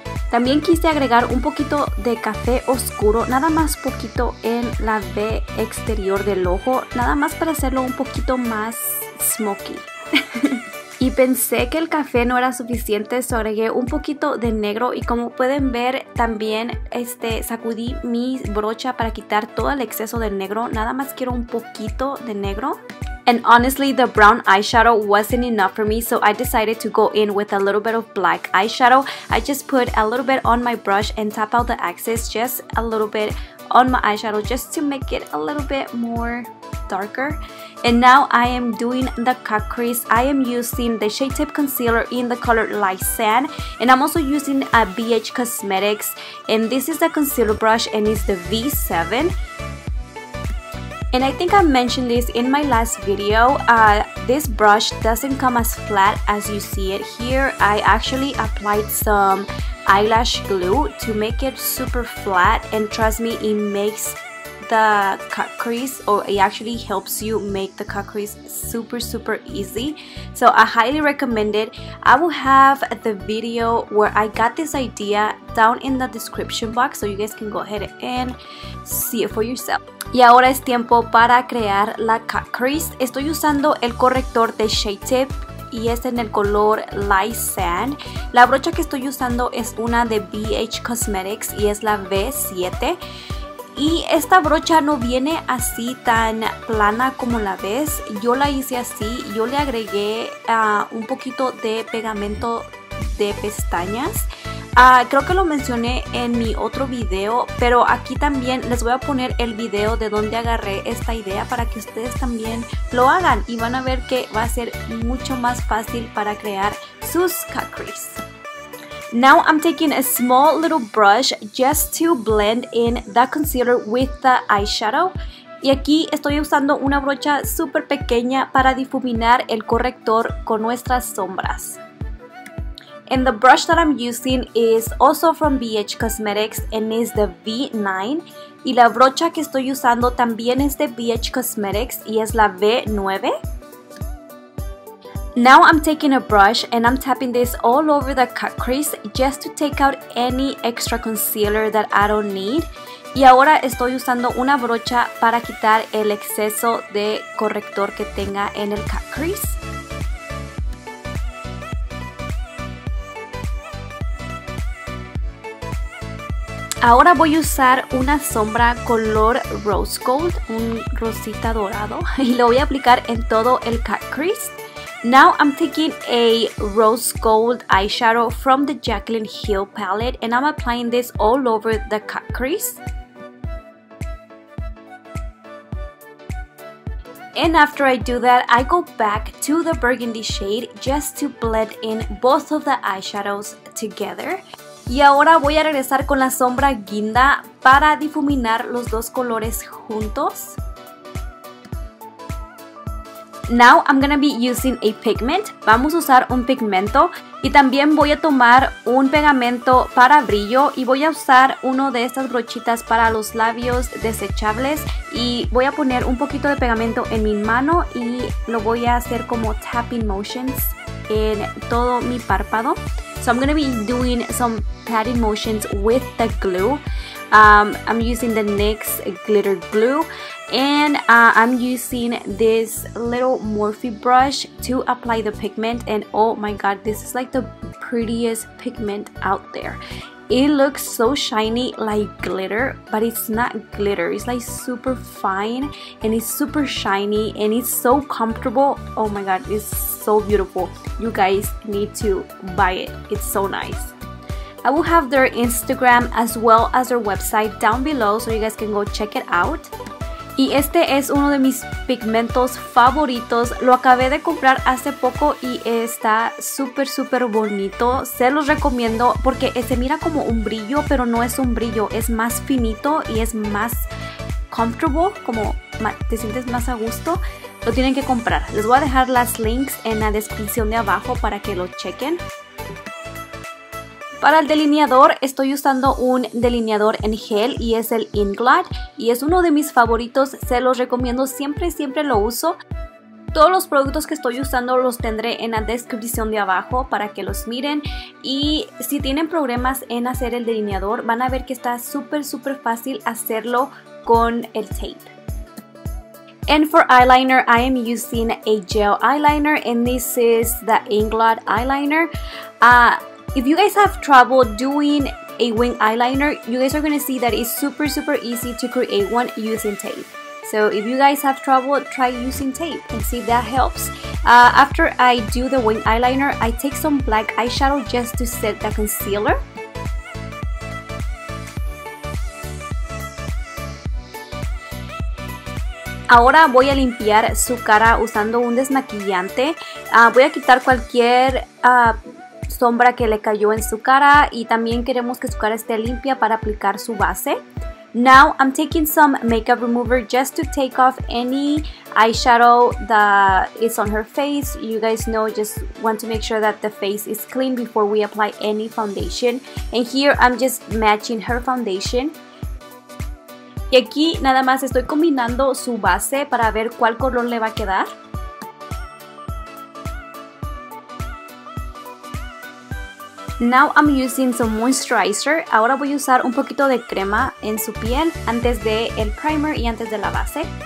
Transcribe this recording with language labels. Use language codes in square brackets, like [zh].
[es] También quise agregar un poquito de café oscuro, nada más poquito en la V exterior del ojo, nada más para hacerlo un poquito más smoky. Y pensé que el café no era suficiente, so agregué un poquito de negro y como pueden ver también sacudí mi brocha para quitar todo el exceso de negro, nada más quiero un poquito de negro. [en] And honestly, the brown eyeshadow wasn't enough for me, so I decided to go in with a little bit of black eyeshadow. I just put a little bit on my brush and tap out the excess just a little bit on my eyeshadow just to make it a little bit more darker. And now I am doing the cut crease. I am using the Shade Tip Concealer in the color Light Sand. And I'm also using a BH Cosmetics. And this is the concealer brush and it's the V7. And I think I mentioned this in my last video, this brush doesn't come as flat as you see it here. I actually applied some eyelash glue to make it super flat and trust me, it makes the cut crease, or it actually helps you make the cut crease super super easy. So I highly recommend it. I will have the video where I got this idea down in the description box so you guys can go ahead and see it for yourself. [es] Y ahora es tiempo para crear la cut crease. Estoy usando el corrector de Shade Tip y es en el color Light Sand. La brocha que estoy usando es una de BH Cosmetics y es la V7. Y esta brocha no viene así tan plana como la ves. Yo la hice así. Yo le agregué un poquito de pegamento de pestañas. Creo que lo mencioné en mi otro video, pero aquí también les voy a poner el video de donde agarré esta idea para que ustedes también lo hagan y van a ver que va a ser mucho más fácil para crear sus cut crease. [en] Now I'm taking a small little brush just to blend in the concealer with the eyeshadow. [es] Y aquí estoy usando una brocha súper pequeña para difuminar el corrector con nuestras sombras. [en] And the brush that I'm using is also from BH Cosmetics and is the V9. [es] Y la brocha que estoy usando también es de BH Cosmetics y es la V9. [en] Now I'm taking a brush and I'm tapping this all over the cut crease just to take out any extra concealer that I don't need. [es] Y ahora estoy usando una brocha para quitar el exceso de corrector que tenga en el cut crease. Ahora voy a usar una sombra color rose gold, un rosita dorado, y lo voy a aplicar en todo el cut crease. [en] Now I'm taking a rose gold eyeshadow from the Jaclyn Hill palette and I'm applying this all over the cut crease. And after I do that, I go back to the burgundy shade just to blend in both of the eyeshadows together. [es] Y ahora voy a regresar con la sombra guinda para difuminar los dos colores juntos. [en] Now I'm gonna be using a pigment. [es] Vamos a usar un pigmento. Y también voy a tomar un pegamento para brillo y voy a usar uno de estas brochitas para los labios desechables. Y voy a poner un poquito de pegamento en mi mano y lo voy a hacer como [en] tapping motions [es] en todo mi párpado. [en] So I'm going to be doing some patting motions with the glue. I'm using the Nekzlo glitter glue and I'm using this little Morphe brush to apply the pigment. And oh my god, this is like the prettiest pigment out there. It looks so shiny, like glitter, but it's not glitter. It's like super fine and it's super shiny and it's so comfortable. Oh my god, it's so beautiful. You guys need to buy it. It's so nice. I will have their Instagram as well as their website down below so you guys can go check it out. [es] Y este es uno de mis pigmentos favoritos. Lo acabé de comprar hace poco y está súper, súper bonito. Se los recomiendo porque se mira como un brillo, pero no es un brillo. Es más finito y es más comfortable, como te sientes más a gusto. Lo tienen que comprar. Les voy a dejar las links en la descripción de abajo para que lo chequen. Para el delineador estoy usando un delineador en gel y es el Inglot y es uno de mis favoritos, se los recomiendo, siempre siempre lo uso. Todos los productos que estoy usando los tendré en la descripción de abajo para que los miren. Y si tienen problemas en hacer el delineador van a ver que está súper súper fácil hacerlo con el tape. [en] And for eyeliner, I am using a gel eyeliner and this is the Inglot eyeliner. If you guys have trouble doing a wing eyeliner, you guys are going to see that it's super, super easy to create one using tape. So if you guys have trouble, try using tape and see if that helps. After I do the wing eyeliner, I take some black eyeshadow just to set the concealer. [es] Ahora voy a limpiar su cara usando un desmaquillante. Voy a quitar cualquier sombra que le cayó en su cara y también queremos que su cara esté limpia para aplicar su base. [en] Now I'm taking some makeup remover just to take off any eyeshadow that is on her face. You guys know, just want to make sure that the face is clean before we apply any foundation. And here I'm just matching her foundation. [es] Y aquí nada más estoy combinando su base para ver cuál color le va a quedar. [en] Now I'm using some moisturizer. [es] Ahora voy a usar un poquito de crema en su piel antes del primer y antes de la base.